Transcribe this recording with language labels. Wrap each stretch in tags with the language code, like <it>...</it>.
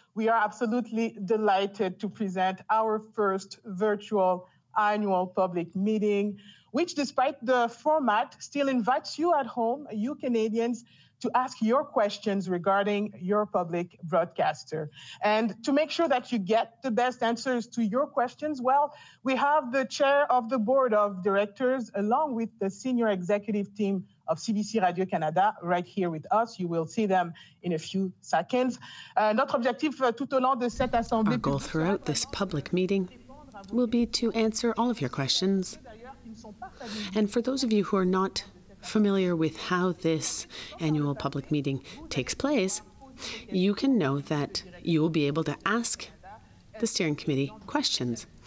<en>We are absolutely delighted to present our first virtual annual public meeting, which, despite the format, still invites you at home, you Canadians, to ask your questions regarding your public broadcaster. And to make sure that you get the best answers to your questions, well, we have the chair of the board of directors along with the senior executive team of CBC Radio-Canada right here with us. You will see them in a few seconds.</en> <fr>Notre objectif tout au long de cette assemblée.</fr> <en>Our goal throughout this public meeting will be to answer all of your questions. And for those of you who are not familiar with how this annual public meeting takes place, you can know that you will be able to ask the steering committee questions.</en>